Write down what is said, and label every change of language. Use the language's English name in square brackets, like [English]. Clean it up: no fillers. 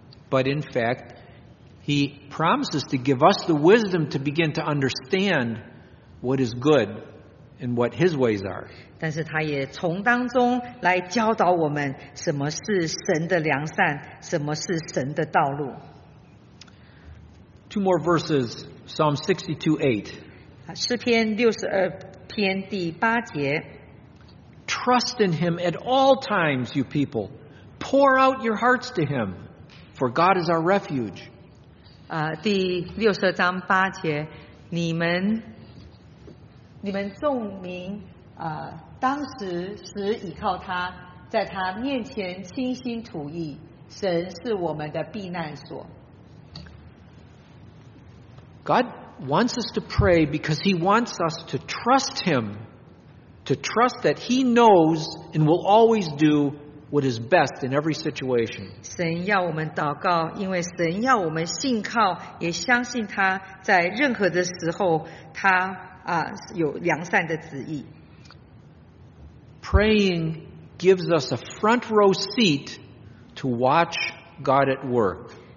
[English] But in fact, he promises to give us the wisdom to begin to understand what is good and what his ways are. [Chinese] 但是他也从当中来教导我们什么是神的良善，什么是神的道路。 [English] Two more verses, Psalm 62:8. [Chinese] 诗篇六十二篇第八节。 [English] Trust in him at all times, you people. Pour out your hearts to him, for God is our refuge. [Chinese] 第六十二章八节，你们众民当时倚靠他，在他面前倾心吐意，神是我们的避难所。 [English] God wants us to pray because he wants us to trust him, to trust that he knows and will always do what is best in every situation. [Chinese] 神要我们祷告，因为神要我们信靠，也相信他在任何的时候，他有良善的旨意。 [English] Praying gives us a front row seat to watch God at work.